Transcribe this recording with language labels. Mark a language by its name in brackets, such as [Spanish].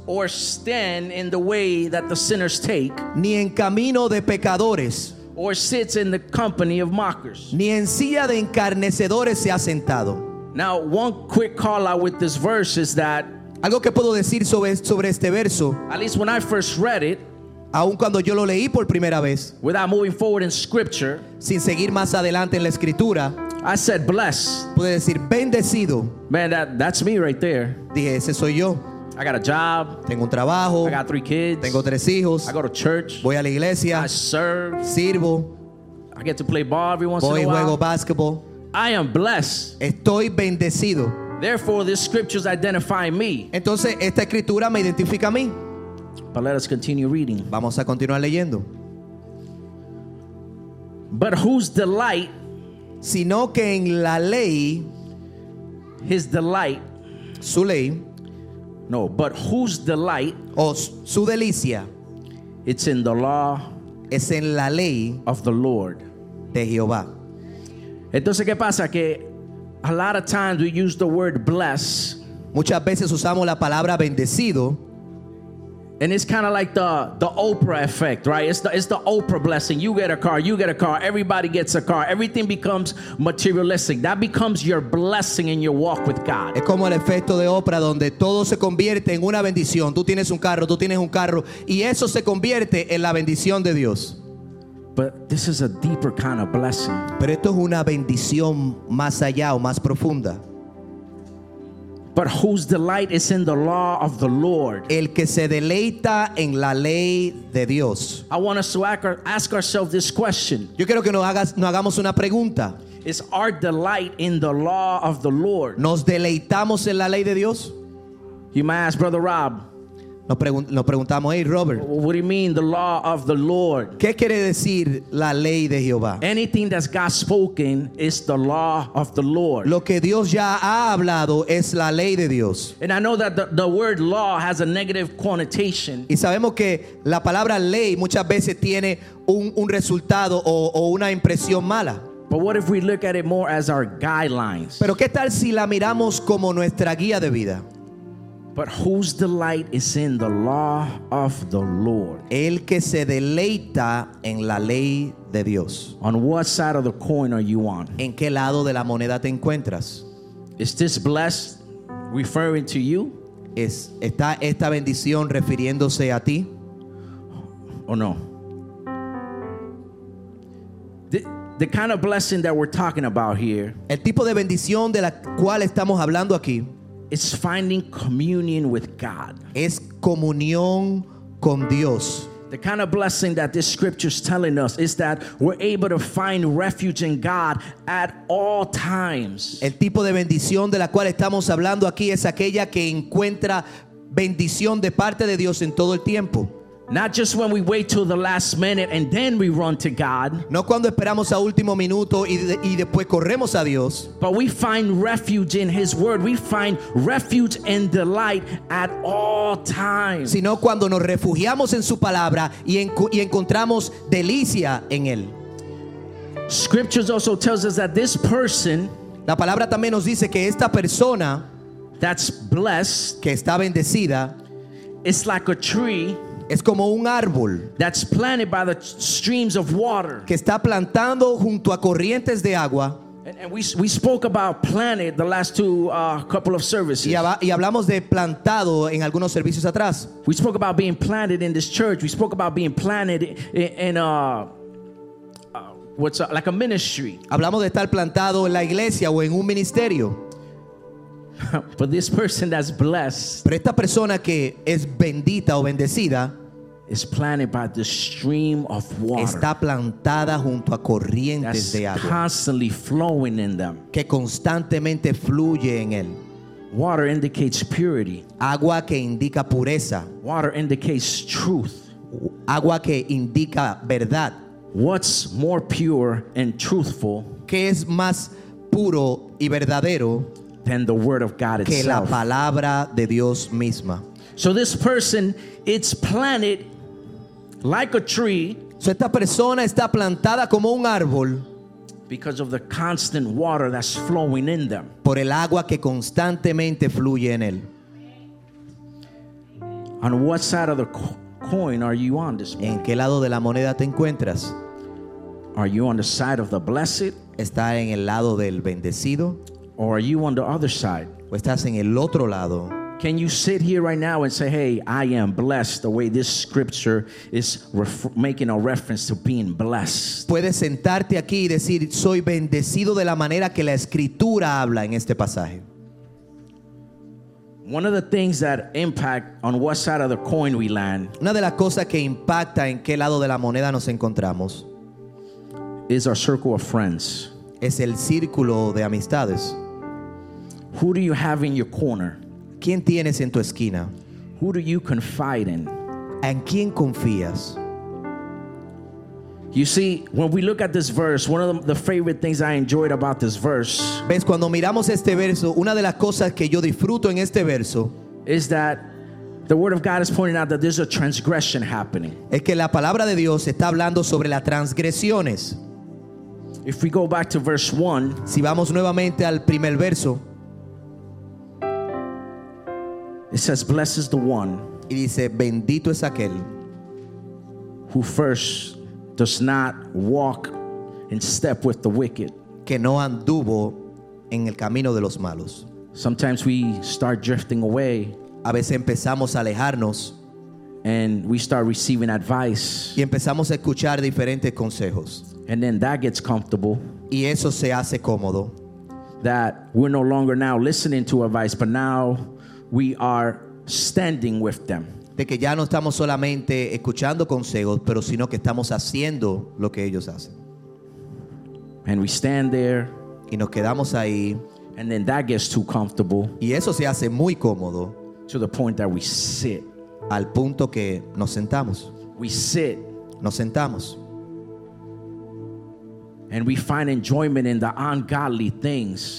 [English] Or stand in the way that the sinners take. [Spanish] Ni en camino de pecadores. [English] Or sits in the company of mockers. [Spanish] Ni en silla de encarnecedores se ha sentado. [English] Now, one quick call out with this verse is that. [Spanish] Algo que puedo decir sobre este verso. [English] At least when I first read it. [Spanish] Aun cuando yo lo leí por primera vez. [English] Without moving forward in scripture. [Spanish] Sin seguir más adelante en la escritura. [English] I said blessed. [Spanish] Pude decir bendecido. [English] Man, that's me right there. [Spanish] Dije, ese soy yo. [English] I got a job. [Spanish] Tengo un trabajo. [English] I got three kids. [Spanish] Tengo tres hijos. [English] I go to church. [Spanish] Voy a la iglesia. [English] I serve. [Spanish] Sirvo. [English] I get to play ball every once [Spanish] Voy [English] in a while. [Spanish] Voy juego basketball. [English] I am blessed. [Spanish] Estoy bendecido. [English] Therefore, this scriptures identify me. [Spanish] Entonces, esta escritura me identifica a mí. [English] But let us continue reading. [Spanish] Vamos a continuar leyendo. [English] But whose delight, [Spanish] sino que en la ley, [English] his delight, [Spanish] su ley, [English] no, but whose delight, [Spanish] o su delicia, [English] it's in the law, [Spanish] es en la ley, [English] of the Lord, [Spanish] de Jehová. Entonces, ¿qué pasa? [English] Que a lot of times we use the word bless, [Spanish] muchas veces usamos la palabra bendecido. [English] And it's kind of like the Oprah effect, right? It's the Oprah blessing. You get a car, you get a car. Everybody gets a car. Everything becomes materialistic. That becomes your blessing in your walk with God. [Spanish] Es como el efecto de Oprah, donde todo se convierte en una bendición. Tú tienes un carro, tú tienes un carro, y eso se convierte en la bendición de Dios. [English] But this is a deeper kind of blessing. [Spanish] Pero esto es una bendición más allá o más profunda. [English] But whose delight is in the law of the Lord? [Spanish] El que se deleita en la ley de Dios. [English] I want us to ask ourselves this question. [Spanish] Yo quiero que nos hagamos una pregunta. [English] Is our delight in the law of the Lord? [Spanish] ¿Nos deleitamos en la ley de Dios? [English] You might ask Brother Rob. [Spanish] Nos preguntamos, hey Robert, [English] what do you mean the law of the Lord? [Spanish] ¿Qué quiere decir la ley de Jehová? [English] Anything that's God spoken is the law of the Lord. [Spanish] Lo que Dios ya ha hablado es la ley de Dios. [English] And I know that the word law has a negative connotation. [Spanish] Y sabemos que la palabra ley muchas veces tiene un resultado o una impresión mala. [English] But what if we look at it more as our guidelines? [Spanish] Pero qué tal si la miramos como nuestra guía de vida. [English] But whose delight is in the law of the Lord? [Spanish] El que se deleita en la ley de Dios. [English] On what side of the coin are you on? [Spanish] ¿En qué lado de la moneda te encuentras? [English] Is this blessed referring to you? [Spanish] ¿Está esta bendición refiriéndose a ti? [English] Or no? The kind of blessing that we're talking about here. [Spanish] El tipo de bendición de la cual estamos hablando aquí. [English] It's finding communion with God. [Spanish] Es comunión con Dios. [English] The kind of blessing that this scripture is telling us is that we're able to find refuge in God at all times. [Spanish] El tipo de bendición de la cual estamos hablando aquí es aquella que encuentra bendición de parte de Dios en todo el tiempo. [English] Not just when we wait till the last minute and then we run to God. [Spanish] No cuando esperamos a último minuto y después corremos a Dios. [English] But we find refuge in His Word. We find refuge and delight at all times. [Spanish] Sino cuando nos refugiamos en su palabra y encontramos delicia en él. [English] Scriptures also tells us that this person. [Spanish] La palabra también nos dice que esta persona. [English] That's blessed. [Spanish] Que está bendecida. [English] It's like a tree. [Spanish] Es como un árbol [English] that's planted by the streams of water. [Spanish] Que está plantando junto a corrientes de agua. [English] And we spoke about planted the last two couple of services. [Spanish] Y hablamos de plantado en algunos servicios atrás. [English] We spoke about being planted in this church. We spoke about being planted in a ministry. [Spanish] Hablamos de estar plantado en la iglesia o en un ministerio. [English] But this person that's blessed. [Spanish] Pero esta persona que es bendita o bendecida. [English] Is planted by the stream of water. [Spanish] Está plantada junto a corrientes de agua. [English] That's constantly flowing in them. [Spanish] Que constantemente fluye en él. [English] Water indicates purity. [Spanish] Agua que indica pureza. [English] Water indicates truth. [Spanish] Agua que indica verdad. [English] What's more pure and truthful? [Spanish] ¿Qué es más puro y verdadero? [English] Than the word of God itself. [Spanish] Que la palabra de Dios misma. [English] So this person, it's planted like a tree. [Spanish] So esta persona está plantada como un árbol. [English] Because of the constant water that's flowing in them. [Spanish] Por el agua que constantemente fluye en él. [English] On what side of the coin are you on this morning? [Spanish] ¿En qué lado de la moneda te encuentras? [English] Are you on the side of the blessed? [Spanish] ¿Está en el lado del bendecido? [English] Or are you on the other side? [Spanish] ¿O estás en el otro lado? [English] Can you sit here right now and say, hey, I am blessed the way this scripture is making a reference to being blessed? [Spanish] Puedes sentarte aquí y decir, soy bendecido de la manera que la escritura habla en este pasaje. [English] One of the things that impact on what side of the coin we land. [Spanish] Una de las cosas que impacta en qué lado de la moneda nos encontramos. [English] Is our circle of friends. [Spanish] Es el círculo de amistades. [English] Who do you have in your corner? [Spanish] ¿Quién tienes en tu esquina? [English] Who do you confide in? [Spanish] ¿En quién confías? [English] You see, when we look at this verse, one of the favorite things I enjoyed about this verse. [Spanish] Ves, cuando miramos este verso, una de las cosas que yo disfruto en este verso [English] is that the word of God is pointing out that there's a transgression happening. [Spanish] Es que la palabra de Dios está hablando sobre las transgresiones. [English] If we go back to verse 1, [Spanish] si vamos nuevamente al primer verso, [English] it says, "Blessed is the one." [Spanish] Y dice, bendito es aquel [English] who first does not walk in step with the wicked. [Spanish] Que no anduvo en el camino de los malos. [English] Sometimes we start drifting away. [Spanish] A veces empezamos a alejarnos. [English] And we start receiving advice. [Spanish] Y empezamos a escuchar diferentes consejos. [English] And then that gets comfortable. [Spanish] Y eso se hace cómodo. [English] That we're no longer now listening to advice, but now we are standing with them. [Spanish] De que ya no estamos solamente escuchando consejos, pero sino que estamos haciendo lo que ellos hacen. [English] And we stand there, [Spanish] y nos quedamos ahí. [English] And then that gets too comfortable. [Spanish] Y eso se hace muy cómodo. [English] To the point that we sit. [Spanish] Al punto que nos sentamos. [English] We sit. [Spanish] Nos sentamos. [English] And we find enjoyment in the ungodly things.